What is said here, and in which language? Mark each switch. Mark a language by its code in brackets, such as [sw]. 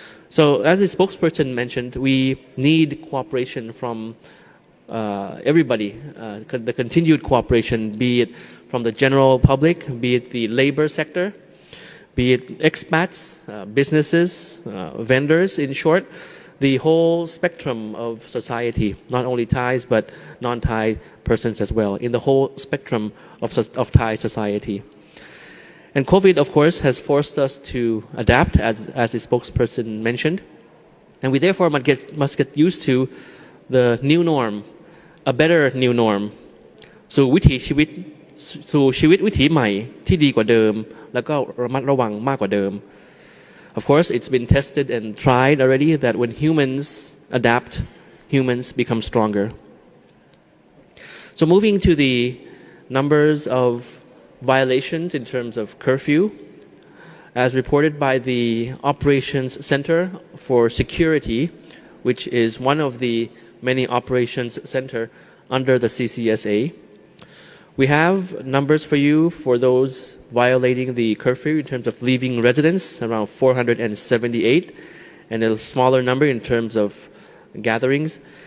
[en] So as the spokesperson mentioned, we need cooperation from everybody, the continued cooperation, be it from the general public, be it the labor sector, be it expats, businesses, vendors, in short, the whole spectrum of society, not only Thais, but non-Thai persons as well, in the whole spectrum of Thai society. And COVID, of course, has forced us to adapt, as the spokesperson mentioned. And we therefore must get used to the new norm, a better new norm. So [th] วิถีชีวิต สู่ชีวิตวิถีใหม่ที่ดีกว่าเดิม แล้วก็ระมัดระวังมากกว่าเดิม [en] Of course, it's been tested and tried already that when humans adapt, humans become stronger. So moving to the numbers of violations in terms of curfew, as reported by the Operations Center for Security, which is one of the many operations center under the CCSA, we have numbers for you for those violating the curfew in terms of leaving residence, around 478, and a smaller number in terms of gatherings.